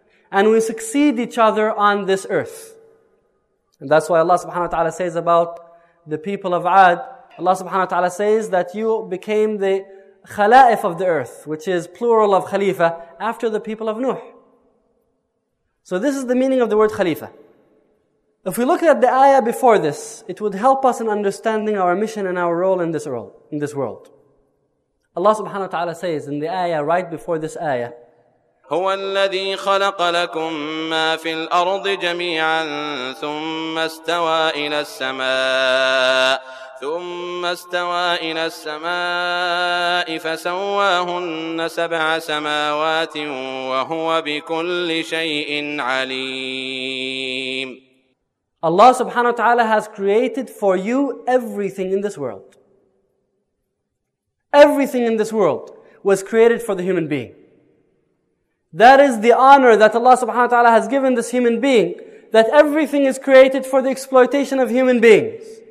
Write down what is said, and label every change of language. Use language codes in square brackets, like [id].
[en] And we succeed each other on this earth. And that's why Allah subhanahu wa ta'ala says about the people of Ad, Allah subhanahu wa ta'ala says that you became the khala'if of the earth, which is plural of khalifa, after the people of Nuh. So this is the meaning of the word khalifa. If we look at the ayah before this, it would help us in understanding our mission and our role in this world. Allah subhanahu wa ta'ala says in the ayah right before this ayah, [ar] هو الذي خلق لكم ما في الأرض جميعا ثم استوى إلى السماء فسواهن سبع سماوات وهو بكل شيء عليم. [en] Allah subhanahu wa ta'ala has created for you everything in this world. Everything in this world was created for the human being. That is the honor that Allah subhanahu wa ta'ala has given this human being, that everything is created for the exploitation of human beings.